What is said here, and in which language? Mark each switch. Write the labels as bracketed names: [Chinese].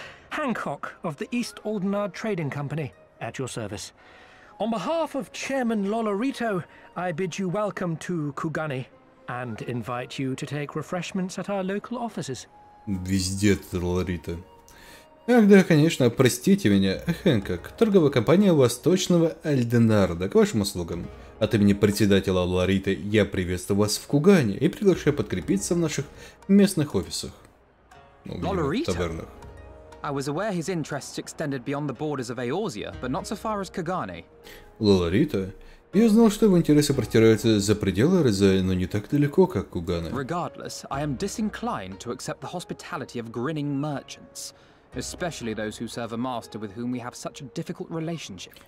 [English] Hancock of the East Oudenarde Trading Company, at your service. On behalf of Chairman Lolorito, I bid you welcome to Kugani and invite you to take refreshments at our local offices. [Russian] Везде ты, Лолорито. Ах, да, конечно, простите меня, Хэнкок, торговая компания Восточного Альденарда, к вашим услугам. От имени председателя Лолорито я приветствую вас в Кугане и приглашаю подкрепиться в наших местных офисах. Лолорито? [English] I was aware his interests extended beyond the borders of Eorzea, but not so far as Kugani. [Russian] Лолорито? Я знал, что его интересы протираются за пределы Розея, но не так далеко, как Кугана. [English] Regardless, I am disinclined to accept the hospitality of grinning merchants, especially those who serve a master with whom we have such a difficult relationship.